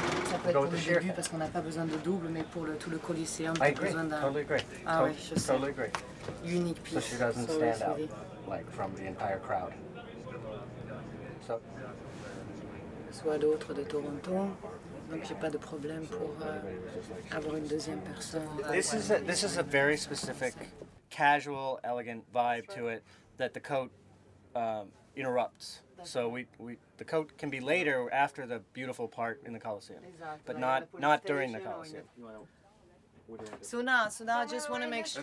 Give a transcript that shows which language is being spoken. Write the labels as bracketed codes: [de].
[fr] Ça peut être au début parce qu'on n'a pas besoin de double, mais pour tout le Coliseum, [en] I agree. Totally agree. [fr] Ah, oui, je sais. [en] Totally agree. Unique piece. So she doesn't stand out like from the entire crowd. So. [fr] Soit d'autres de Toronto. Donc j'ai pas de problème pour avoir une deuxième personne. [en] This is a very specific, casual, elegant vibe to it that the coat interrupts. So we the coat can be later after the beautiful part in the Colosseum, exactly. But not during the Colosseum. So now I just want to make sure.